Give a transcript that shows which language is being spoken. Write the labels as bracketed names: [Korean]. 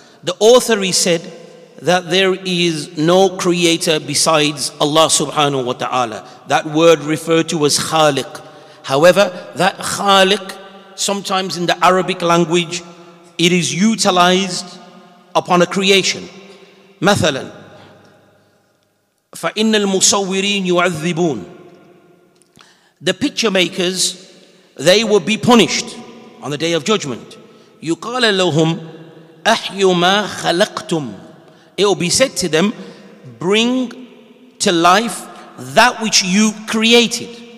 [English] The author, he said, that there is no creator besides Allah subhanahu wa ta'ala. That word referred to as khaliq. However, that khaliq, sometimes in the Arabic language, it is utilized upon a creation. [Arabic] Mathalan, فَإِنَّ الْمُصَوِّرِينَ يُعَذِّبُونَ. [English] The picture makers, they will be punished on the Day of Judgment. [Arabic] يُقَالَ لَهُمْ أَحْيُ مَا خَلَقْتُمْ. [English] It will be said to them, bring to life that which you created.